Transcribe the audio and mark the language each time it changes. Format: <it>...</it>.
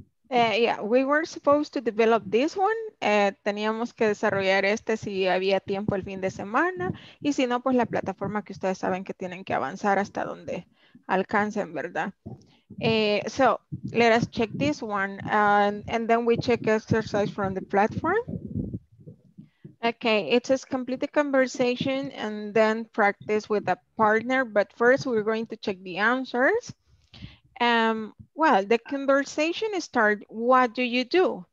<en>Yeah, we were supposed to develop this one.</en> <es>Teníamos que desarrollar este si había tiempo el fin de semana. Y si no, pues la plataforma que ustedes saben que tienen que avanzar hasta donde alcancen, ¿verdad?</es> <en>So, let us check this one. And then we check exercise from the platform. Okay, it says complete the conversation and then practice with a partner. But first, we're going to check the answers. Well, the conversation starts, what do you do?</en>